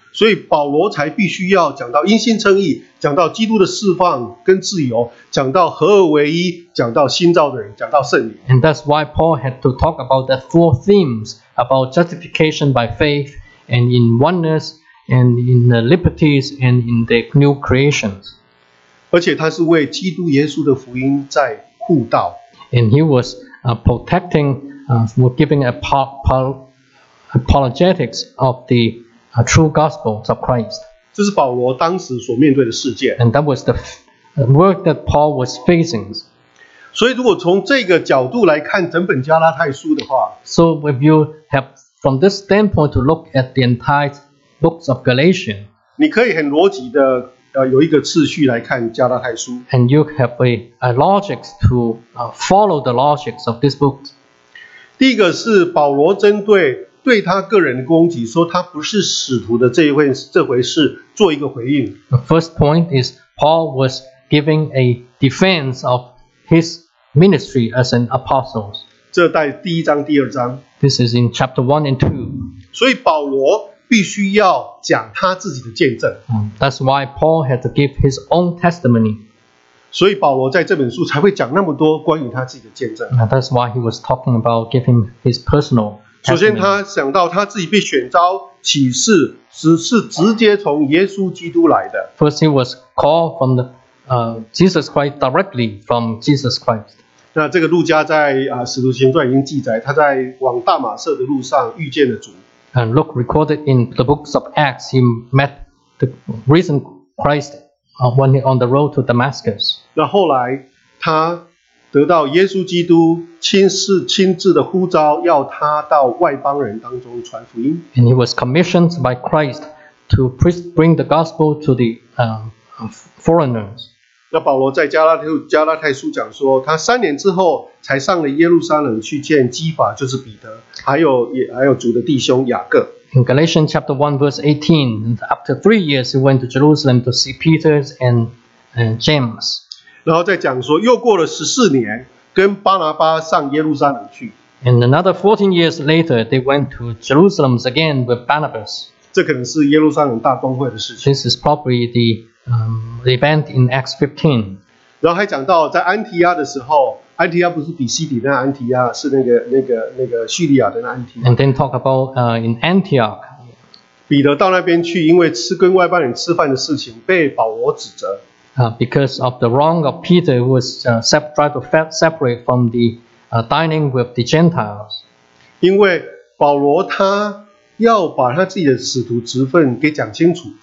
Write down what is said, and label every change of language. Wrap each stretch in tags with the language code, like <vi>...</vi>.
<zh>所以保罗才必须要讲到因信称义，讲到基督的释放跟自由，讲到合而为一，讲到新造的人，讲到圣灵。</zh> <en>And that's why Paul had to talk about the four themes about justification by faith and in oneness and in the liberties and in the new creations.</en> <zh>而且他是为基督耶稣的福音在护道。</zh> <en>And he was protecting, giving apologetics of the true gospel of Christ.</en> <zh>这是保罗当时所面对的世界。</zh> <en>And that was the work that Paul was facing.</en> <zh>所以如果从这个角度来看整本加拉太书的话，</zh> <en>So if you have from this standpoint to look at the entire books of Galatians,</en> <zh>你可以很逻辑的有一个次序来看加拉太书。</zh> <en>And you have a logic to follow the logics of this book.</en> <zh>第一个是保罗针对对他个人的攻击，说他不是使徒的这回事做一个回应。</zh> <en>The first point is Paul was giving a defense of his ministry as an apostle.</en> <zh>这在第一章、第二章。</zh> <en>This is in chapter 1 and 2.</en> <zh>所以保罗必须要讲他自己的见证。</zh> <en>That's why Paul had to give his own testimony.</en> <zh>所以保罗在这本书才会讲那么多关于他自己的见证。</zh> <en>That's why he was talking about giving his personal.</en> <zh>首先他想到他自己被选召启示是直接从耶稣基督来的。</zh> <en>First he was called from the, Jesus Christ, directly from Jesus Christ.</en> <zh>那这个路加在使徒行传已经记载他在往大马色的路上遇见了主。</zh> <en>And Luke recorded in the books of Acts, he met the risen Christ when he on the road to Damascus.</en> <zh>那后来他得到耶稣基督亲自的呼召，要他到外邦人当中传福音。</zh> <en>And he was commissioned by Christ to bring the gospel to the foreigners.</en> <zh>那保罗在加拉太书讲说，他三年之后才上了耶路撒冷去见基法，就是彼得，还有主的弟兄雅各。</zh> <en>In Galatians chapter 1:18, after 3 years, he went to Jerusalem to see Peter and James.</en> <zh>然后再讲说，又过了14年，跟巴拿巴上耶路撒冷去。</zh> <en>And another 14 years later, they went to Jerusalem again with Barnabas.</en> <zh>这可能是耶路撒冷大公会的事情。</zh> <en>This is probably the event in Acts 15.</en> <zh>然后还讲到在安提亚的时候，安提亚不是比西底那安提亚，是那个叙利亚的那安提亚。</zh> <en>And then talk about in Antioch.</en> <zh>彼得到那边去，因为吃跟外邦人吃饭的事情，被保罗指责。</zh> <en>Because of the wrong of Peter, who was trying to separate from the dining with the Gentiles.</en> <zh>因为保罗他要把他自己的使徒职分给讲清楚。</zh>